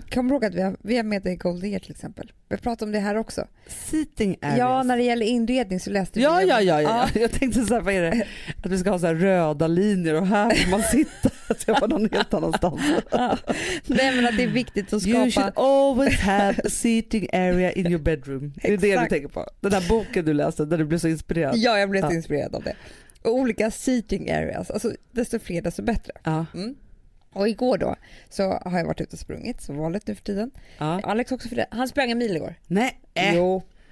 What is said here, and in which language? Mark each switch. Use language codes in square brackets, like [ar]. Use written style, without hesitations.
[sv] Kommer du ihåg att vi har med dig Goldinger till exempel? Vi pratar om det här också. [en] Seating areas? [sv] Ja, när det gäller inredning så läste vi. Ja. Jag tänkte så här, vad är det? Att vi ska ha så här röda linjer och här får man sitta. Att jag var någon helt annanstans. Ja. Nej, men att det är viktigt att skapa. [en] You should always have a seating area in your bedroom. [sv] Det är exakt. Det du tänker på. Den där boken du läste där du blev så inspirerad. Ja, jag blev så inspirerad av det. Och olika seating areas. Alltså, desto fler desto bättre. Ja. Och igår då så har jag varit ute och sprungit som vanligt nu för tiden. Ja. Alex också, för det. Han sprang en mil igår. Nej. Jo.